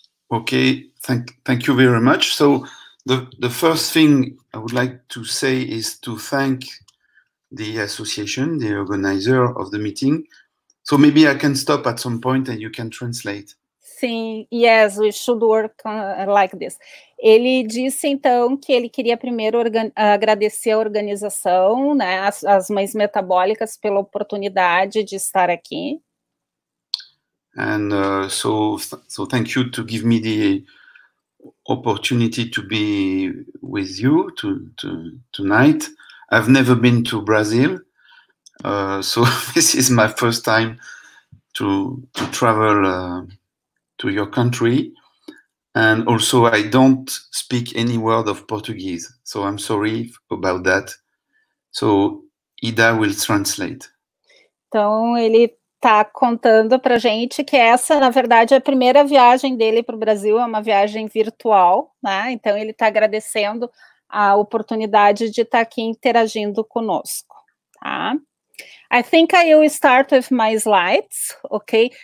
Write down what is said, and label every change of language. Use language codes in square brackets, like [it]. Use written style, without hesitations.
[en] Okay, thank you very much. So the first thing I would like to say is to thank the association, the organizer of the meeting. So maybe I can stop at some point and you can translate. Sim, yes, we should work like this. [pt] Ele disse então que ele queria primeiro agradecer a organização, né, as mães metabólicas pela oportunidade de estar aqui. [en] And so thank you to give me the opportunity to be with you tonight. I've never been to Brazil, so this is my first time to travel to your country. And also, I don't speak any word of Portuguese, so I'm sorry about that. So Ida will translate. [pt] Então, ele está contando para a gente que essa, na verdade, é a primeira viagem dele para o Brasil, é uma viagem virtual, né? Então, ele está agradecendo a oportunidade de estar aqui interagindo conosco, tá? [en] I think I will start with my slides, okay?